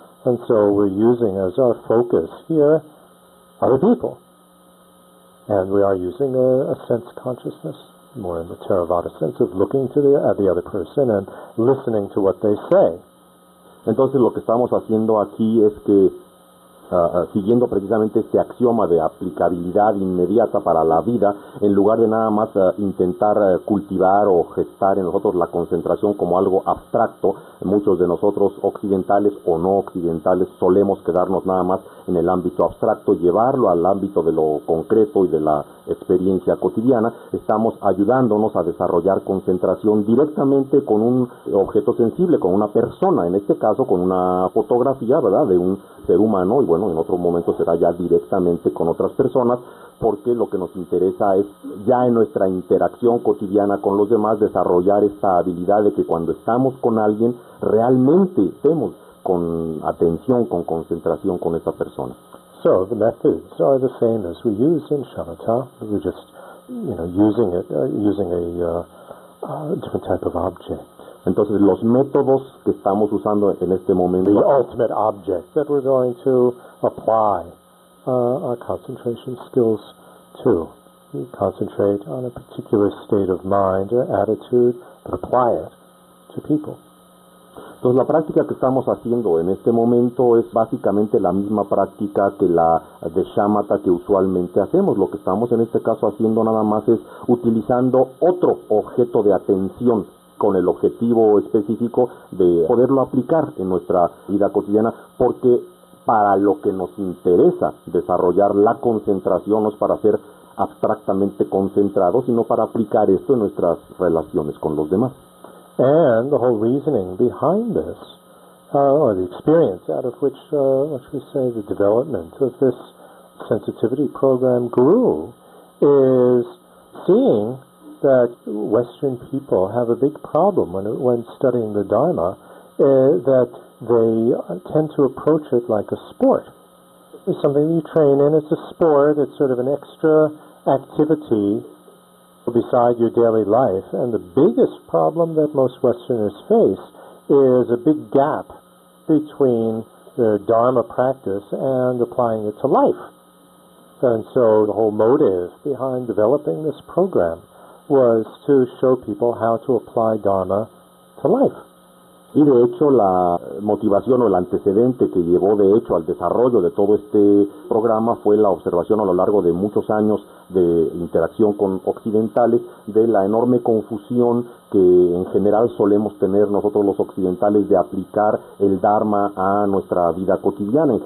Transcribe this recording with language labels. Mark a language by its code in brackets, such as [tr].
[en] And so we're using as our focus here other people. And we are using a sense consciousness, more in the Theravada sense, of looking at the other person and listening to what they say. [es] Entonces lo que estamos haciendo aquí es que siguiendo precisamente este axioma de aplicabilidad inmediata para la vida, en lugar de nada más intentar cultivar o gestar en nosotros la concentración como algo abstracto, muchos de nosotros occidentales o no occidentales solemos quedarnos nada más en el ámbito abstracto, llevarlo al ámbito de lo concreto y de la experiencia cotidiana, estamos ayudándonos a desarrollar concentración directamente con un objeto sensible, con una persona, en este caso con una fotografía, ¿verdad?, de un ser humano, y bueno, en otro momento será ya directamente con otras personas, porque lo que nos interesa es ya en nuestra interacción cotidiana con los demás desarrollar esta habilidad de que cuando estamos con alguien realmente estemos con atención, con concentración con esa persona. [en] So the methods are the same as we use in shamatha. We're just, using a different type of object. [es] Entonces los métodos que estamos usando en este momento, [en] the ultimate object that we're going to apply our concentration skills to. We concentrate on a particular state of mind or attitude, but apply it to people. [es] Entonces la práctica que estamos haciendo en este momento es básicamente la misma práctica que la de shamatha que usualmente hacemos. Lo que estamos en este caso haciendo nada más es utilizando otro objeto de atención con el objetivo específico de poderlo aplicar en nuestra vida cotidiana, porque para lo que nos interesa desarrollar la concentración no es para ser abstractamente concentrados, sino para aplicar esto en nuestras relaciones con los demás. [en] And the whole reasoning behind this, or the experience out of which, the development of this sensitivity program grew, is seeing that Western people have a big problem when studying the Dharma, that they tend to approach it like a sport. It's something you train in, it's a sport, it's sort of an extra activity beside your daily life, and the biggest problem that most Westerners face is a big gap between their Dharma practice and applying it to life. And so the whole motive behind developing this program was to show people how to apply Dharma to life. [es] Y de hecho la motivación o el antecedente que llevó de hecho al desarrollo de todo este programa fue la observación a lo largo de muchos años de interacción con occidentales de la enorme confusión que en general solemos tener nosotros los occidentales de aplicar el Dharma a nuestra vida cotidiana.